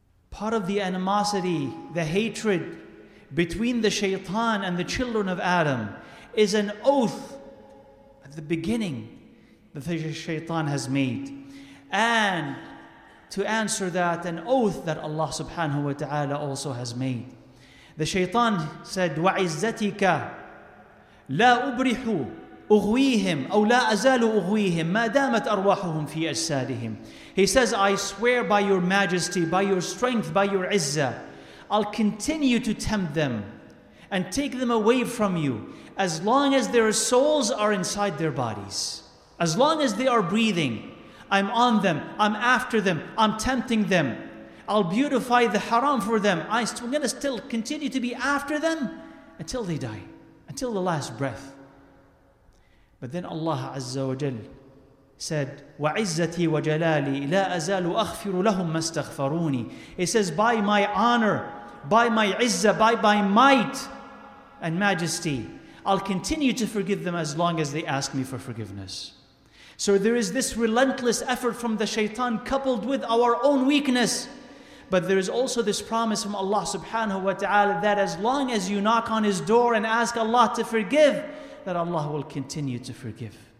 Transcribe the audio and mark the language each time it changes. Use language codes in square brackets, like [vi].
[en] Part of the animosity, the hatred between the shaitan and the children of Adam is an oath at the beginning that the shaitan has made. And to answer that, an oath that Allah subhanahu wa ta'ala also has made. The shaitan said, [ar] وَعِزَّتِكَ لَا أُبْرِحُ أُغْوِيهِمْ أَوْ لَا أَزَالُ أُغْوِيهِمْ مَا دَامَتْ أَرْوَاحُهُمْ فِي أَجْسَادِهِمْ. [en] He says, I swear by your majesty, by your strength, by your izzah, I'll continue to tempt them and take them away from you as long as their souls are inside their bodies. As long as they are breathing, I'm on them, I'm after them, I'm tempting them. I'll beautify the haram for them. I'm going to still continue to be after them until they die, until the last breath. But then Allah Azza wa Jal said, [ar] وَعِزَّتِي وَجَلَالِي لَا أَزَالُ أَخْفِرُ لَهُمْ مَا اسْتَغْفَرُونِي. [en] It says, by my honor, by my izzah, by my might and majesty, I'll continue to forgive them as long as they ask me for forgiveness. So there is this relentless effort from the shaitan coupled with our own weakness. But there is also this promise from Allah subhanahu wa ta'ala that as long as you knock on his door and ask Allah to forgive, that Allah will continue to forgive.